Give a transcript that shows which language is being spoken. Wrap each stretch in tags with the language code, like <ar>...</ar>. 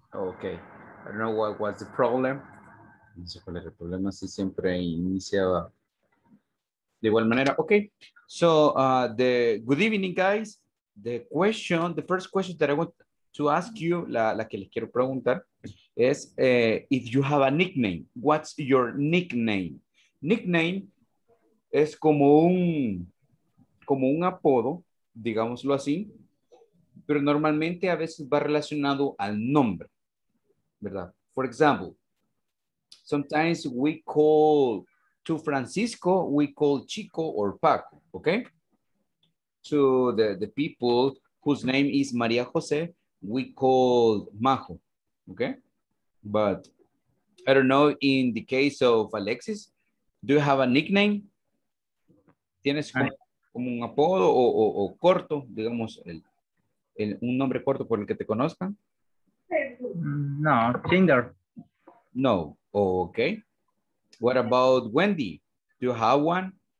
<en>Ok, I don't know what was the problem.</en> <es>No sé cuál es el problema, si siempre iniciaba de igual manera.</es> <en>Ok, so the good evening, guys. The question, the first question that I want to ask you,</en> <es>la que les quiero preguntar, es</es> <en>if you have a nickname. What's your nickname?</en> <es>Nickname es como un apodo, digámoslo así, pero normalmente a veces va relacionado al nombre, ¿verdad?</es> <en>For example, sometimes we call to Francisco, we call Chico or Paco, okay? To the people whose name is María José, we call Majo, okay? But I don't know, in the case of Alexis, do you have a nickname?</en> <es>¿Tienes como un apodo o corto, digamos, un nombre corto por el que te conozcan?</es> <en>No, Tinder. No, oh, okay. What about Wendy? Do you have one?</en>